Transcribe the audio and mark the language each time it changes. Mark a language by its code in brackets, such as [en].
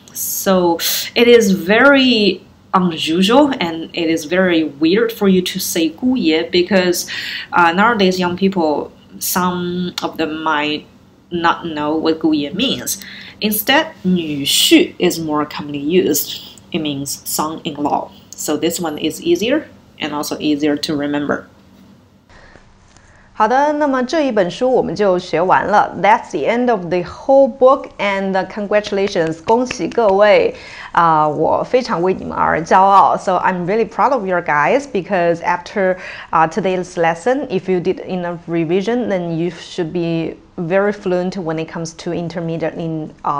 [en] So it is very unusual and it is very weird for you to say 姑爷 because nowadays young people, some of them might not know what 姑爷 means. Instead, 女婿 is more commonly used. It means son-in-law. So this one is easier and also easier to remember. [zh] 好的，那么这一本书我们就学完了。 [en] That's the end of the whole book and congratulations. [zh] 恭喜各位。我非常为你们而骄傲。 [en] So I'm really proud of you guys because after today's lesson, if you did enough revision, then you should be very fluent when it comes to intermediate in...